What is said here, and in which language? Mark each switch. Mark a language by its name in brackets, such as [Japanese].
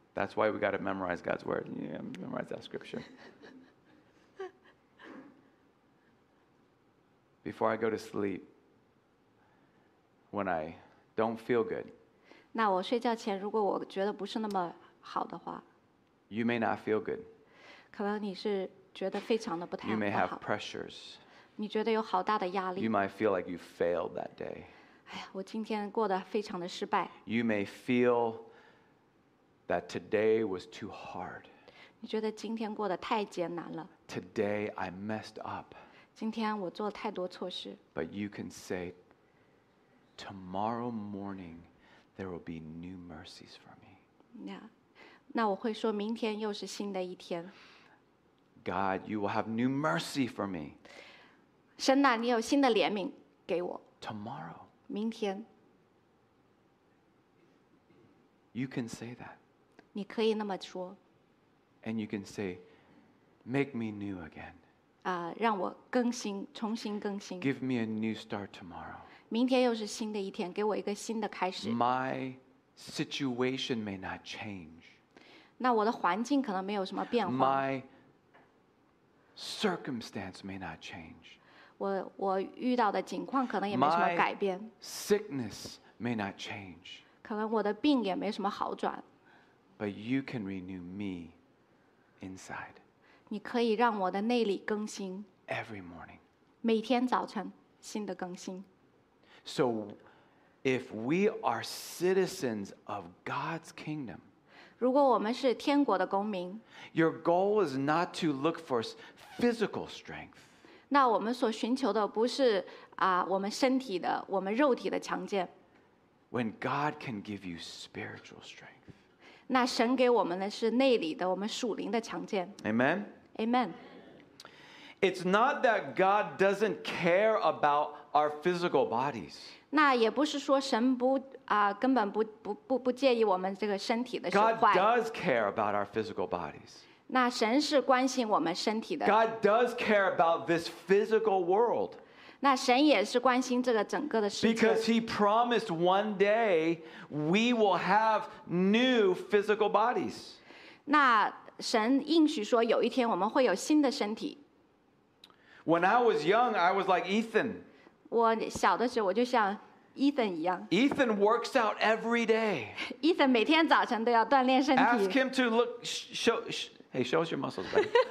[English] That's why we got to memorize God's word. Yeah, memorize that scripture. Before I go to sleep, when I don't feel good. [Chinese] 那我睡觉前，如果我觉得不是那么好的话， [English] you may not feel good. [Chinese] 可能你是觉得非常的不太好。 [English] You may have pressures. [Chinese] 你觉得有好大的压力。 [English] You might feel like you failed that day. [Chinese] 哎呀，我今天过得非常的失败。 [English] You may feel that today was too hard. [Chinese] 你觉得今天过得太艰难了。 [English] Today I messed up. [Chinese] 今天我做了太多错事。 [English] But you can say, tomorrow morning there will be new mercies for me. Yeah. [Chinese] 那我会说明天又是新的一天。 [English] God, you will have new mercy for me. [Chinese] 神哪，你有新的怜悯给我。 [English] Tomorrow. [Chinese] 明天。 [English] You can say that. [Chinese] 你可以那么说。 [English] And you can say, make me new again. [Chinese] 让我更新，重新更新。 [English] Give me a new start tomorrow. [Chinese] 明天又是新的一天，给我一个新的开始。 [English] My situation may not change. [Chinese] 那我的环境可能没有什么变化。 [English] My circumstance may not change. [Chinese] 我遇到的境况可能也没什么改变。 [English] My sickness may not change. [Chinese] 可能我的病也没什么好转。 [English] But you can renew me inside. [Chinese] 你可以让我的内里更新。 [English] Every morning. [Chinese] 每天早晨新的更新。 [English] So, if we are citizens of God's kingdom, [Chinese] 如果我们是天国的公民, [English] your goal is not to look for physical strength. [Chinese] 那我们所寻求的不是我们身体的，我们肉体的强健。 [English] When God can give you spiritual strength. [Chinese] 那神给我们的是内里的，我们属灵的强健。 [English] Amen. Amen. It's not that God doesn't care about our physical bodies. [Chinese] 那也不是说神不根本不介意我们这个身体的损坏。 [English] God does care about our physical bodies. [Chinese] 那神是关心我们身体的。 [English] God does care about this physical world. [Chinese] 那神也是关心这个整个的世界。 [English] Because he promised one day we will have new physical bodies. [Chinese] 那神应许说有一天我们会有新的身体。 [English] When I was young, I was like Ethan. [Chinese] 我小的时候我就像 Ethan 一样。 [English] Ethan works out every day. [Chinese] Ethan 每天早晨都要锻炼身体。 [English] Ask him to look, show us your muscles, buddy.